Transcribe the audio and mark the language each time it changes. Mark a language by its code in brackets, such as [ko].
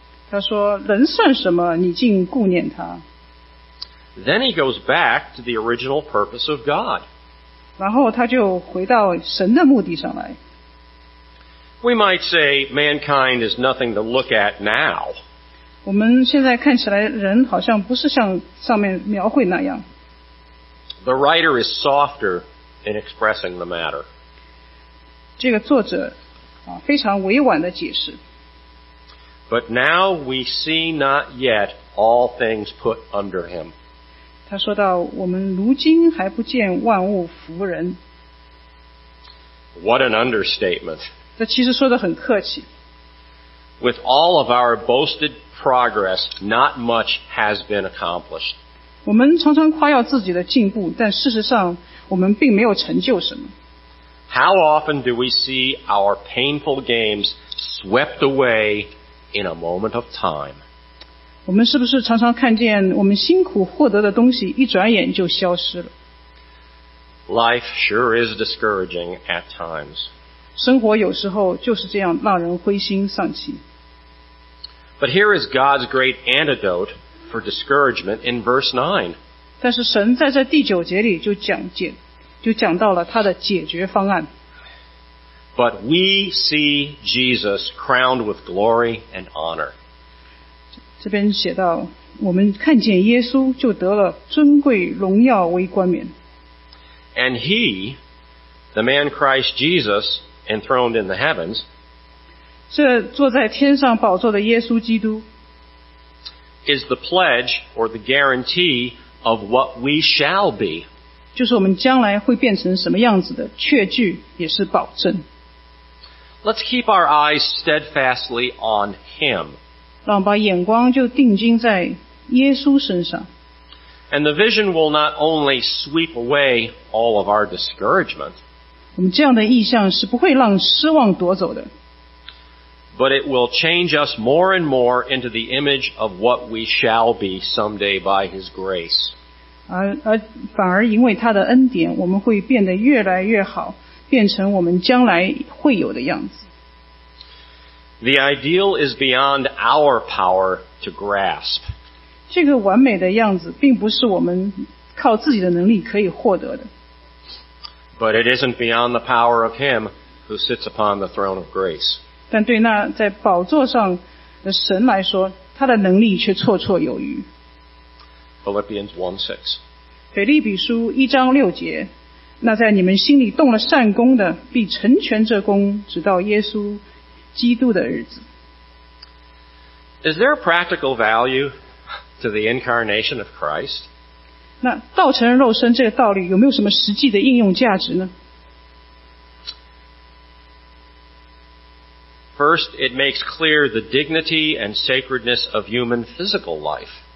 [zh] 他说，人算什么，你竟顾念他。 [en] Then he goes back to the original purpose of God. [zh] 然后他就回到神的目的上来。 [en] We might say mankind is nothing to look at now. [zh] 我们现在看起来人好像不是像上面描绘那样。 [en] The writer is softer in expressing the matter. [zh] 这个作者非常委婉地解释。 [en] But now we see not yet all things put under him. [zh] 他说到我们如今还不见万物服人。 [en] What an understatement. [zh] 这其实说得很客气。 [en] With all of our boasted progress, not much has been accomplished. [zh] 我们常常夸耀自己的进步，但事实上我们并没有成就什么。 [en] How often do we see our painful games swept away in a moment of time? [zh] 我们是不是常常看见我们辛苦获得的东西一转眼就消失了？ [en] Life sure is discouraging at times. [zh] 生活有时候就是这样让人灰心丧气。 [en] But here is God's great antidote for discouragement in verse 9. [zh] 但是神在这第九节里就讲到了他的解决方案。 [en] But we see Jesus crowned with glory and honor. [zh] 这边写到，我们看见耶稣就得了尊贵荣耀为冠冕。 [en] And he, the man Christ Jesus, enthroned in the heavens, [zh] 这坐在天上宝座的耶稣基督 [en] is the pledge or the guarantee of what we shall be. [zh] 就是我们将来会变成什么样子的确据，也是保证。 [en] Let's keep our eyes steadfastly on him. [zh] 让把眼光就定睛在耶稣身上。 [en] And the vision will not only sweep away all of our discouragement, [zh] 我们这样的意象是不会让失望夺走的。 [en] But it will change us more and more into the image of what we shall be someday by his grace. [zh] 而反而因为他的恩典，我们会变得越来越好，变成我们将来会有的样子。 [en] The ideal is beyond our power to grasp. [zh] 这个完美的样子并不是我们靠自己的能力可以获得的。 [en] But it isn't beyond the power of him who sits upon the throne of grace. [zh] 但对那在宝座上的神来说，他的能力却绰绰有余。 [en] Philippians 1:6. [zh] 腓立比书一章六节，那在你们心里动了善功的，必成全这功，直到耶稣基督的日子。 [en] Is there a practical value to the incarnation of Christ? [zh] 那道成肉身这个道理有没有什么实际的应用价值呢？ [en] First, it makes clear the dignity and sacredness of human physical life.